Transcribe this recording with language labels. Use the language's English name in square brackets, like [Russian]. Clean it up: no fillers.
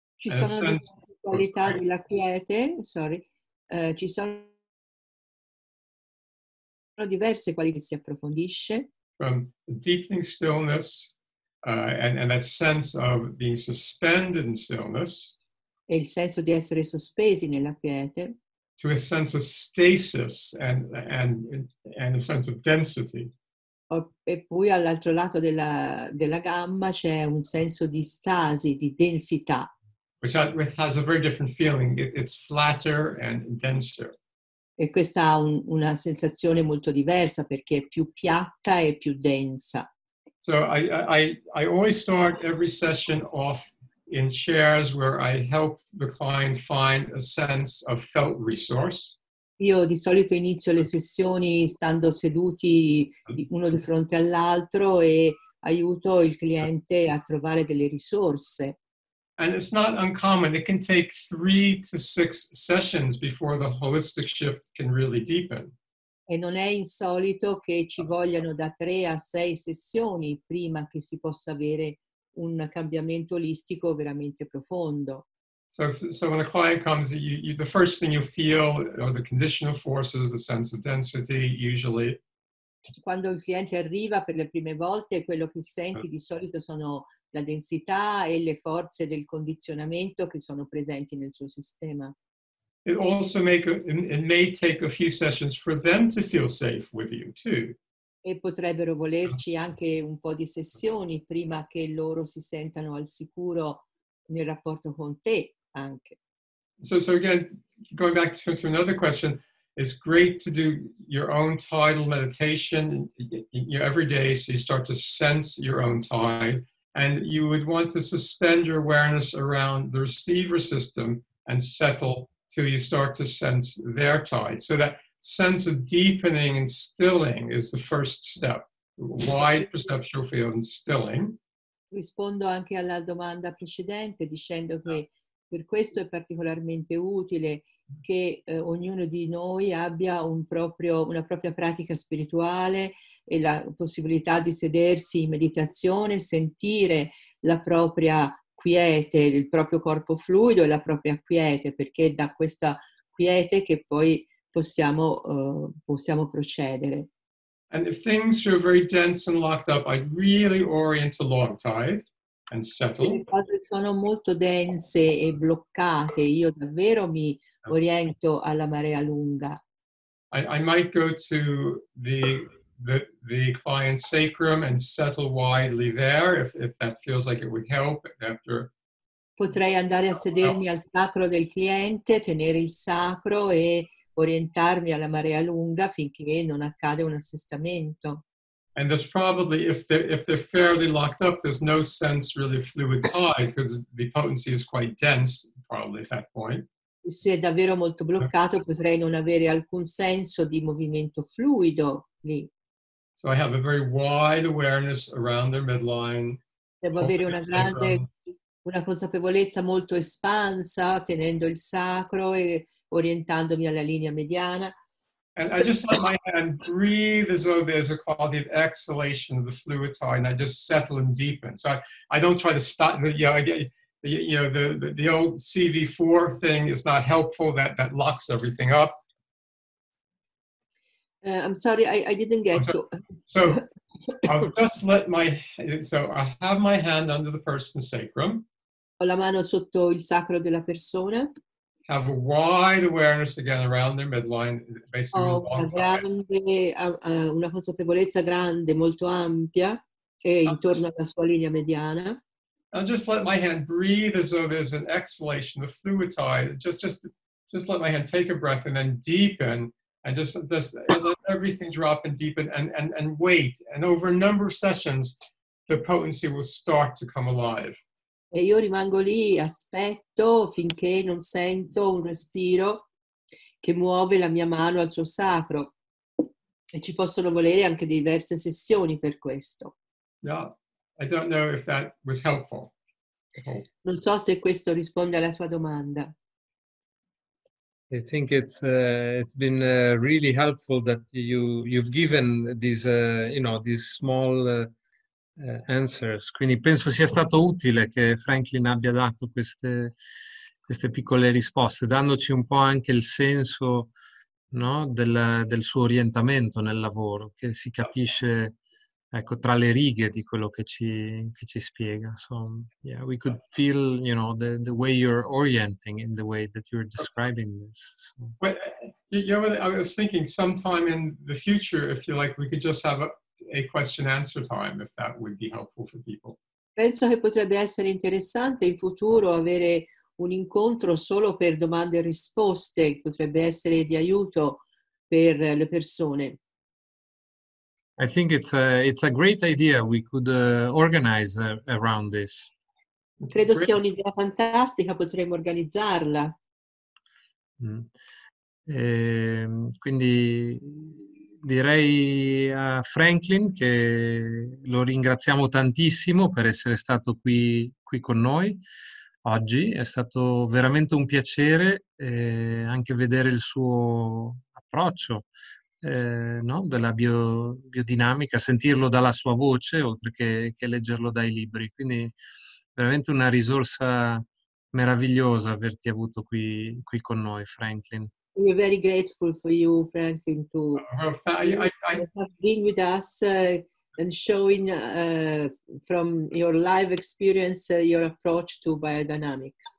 [Italian] Ci sono diverse qualità si approfondisce. [English] From deepening stillness and that sense of being suspended in stillness. [Italian] E il senso di essere sospesi nella quiete. [English] To a sense of stasis and a sense of density. [Italian] E poi all'altro lato della gamma c'è un senso di stasi, di densità. [English] Which has a very different feeling. It's flatter and denser. [Italian] E questa ha una sensazione molto diversa perché è più piatta e più densa. [English] So I always start every session off in chairs where I help the client find a sense of felt resource. [Italian] Io di solito inizio le sessioni stando seduti uno di fronte all'altro e aiuto il cliente a trovare delle risorse. [English] And it's not uncommon. It can take 3 to 6 sessions before the holistic shift can really deepen. [Italian] E non è insolito che ci vogliano da 3 a 6 sessioni prima che si possa avere un cambiamento olistico veramente profondo. [English] So when a client comes, you the first thing you feel are the conditional forces, the sense of density, usually. [Italian] Quando il cliente arriva per le prime volte, quello che senti di solito sono la densità e le forze del condizionamento che sono presenti nel suo sistema. [English] It may take a few sessions for them to feel safe with you too. [Italian] E potrebbero volerci anche un po' di sessioni prima che loro si sentano al sicuro nel rapporto con te anche. [English] So again, going back to another question, it's great to do your own tidal meditation every day so you start to sense your own tide. And you would want to suspend your awareness around the receiver system and settle till you start to sense their tide. So that sense of deepening and stilling is the first step. Wide perceptual field and stilling. [Italian] Rispondo anche alla domanda precedente dicendo che per questo è particolarmente utile che ognuno di noi abbia una propria pratica spirituale e la possibilità di sedersi in meditazione, sentire la propria quiete, il proprio corpo fluido e la propria quiete, perché è da questa quiete che poi possiamo procedere. [English] And if things are very dense and locked up, I'd really orient to long tide and settle. [Italian] Se le cose sono molto dense e bloccate, io davvero mi oriento alla marea lunga. [English] I might go to the client's sacrum and settle widely there if that feels like it would help after. [Italian] Potrei andare a sedermi al sacro del cliente, tenere il sacro e orientarmi alla marea lunga finché non accade un assestamento. [English] And there's probably, if they're fairly locked up, there's no sense really fluid tied because the potency is quite dense probably at that point. [Italian] Se è davvero molto bloccato, potrei non avere alcun senso di movimento fluido lì. [English] So I have a very wide awareness around their midline. [Italian] Devo avere una grande, una consapevolezza molto espansa, tenendo il sacro e orientandomi alla linea mediana. [English] And I just let my hand breathe as though there's a quality of exhalation of the fluid tide, and I just settle and deepen. So I don't try to stop. The old CV4 thing is not helpful. That locks everything up. I'm sorry, I didn't get you. So I'll just let my. So I have my hand under the person's sacrum. [Italian] Ho la mano sotto il sacro della persona. [English] Have a wide awareness again around their midline, basically [Italian] una consapevolezza grande, molto ampia, e intorno alla sua linea mediana. [English] I'll just let my hand breathe as though there's an exhalation, the fluid tide. Just let my hand take a breath and then deepen, and just let everything drop and deepen, and wait. And over a number of sessions, the potency will start to come alive. [Italian] E io rimango lì, aspetto finché non sento un respiro che muove la mia mano al suo sacro. E ci possono volere anche diverse sessioni per questo. [English] Yeah, I don't know if that was helpful. [Italian] Non so se questo risponde alla tua domanda. [English] I think it's been really helpful that you've given these these small answers. [Italian] Quindi penso sia stato utile che Franklin abbia dato queste piccole risposte, dandoci un po' anche il senso, no, del suo orientamento nel lavoro, che si capisce, ecco, tra le righe di quello che ci spiega. [English] So, yeah, we could feel, you know, the way you're orienting in the way that you're describing this. So. But, you know, I was thinking sometime in the future, if you like, we could just have a question answer time, if that would be helpful for people. [Italian] Penso che potrebbe essere interessante in futuro avere un incontro solo per domande e risposte, potrebbe essere di aiuto per le persone. [English] I think it's a great idea. We could organize around this. [Italian] Credo sia un'idea fantastica, potremmo organizzarla. Quindi direi a Franklin che lo ringraziamo tantissimo per essere stato qui con noi oggi. È stato veramente un piacere anche vedere il suo approccio, no, della biodinamica, sentirlo dalla sua voce oltre che leggerlo dai libri. Quindi veramente una risorsa meravigliosa averti avuto qui con noi, Franklin. [English] We are very grateful for you, Franklin, to have been with us and showing from your live experience your approach to biodynamics.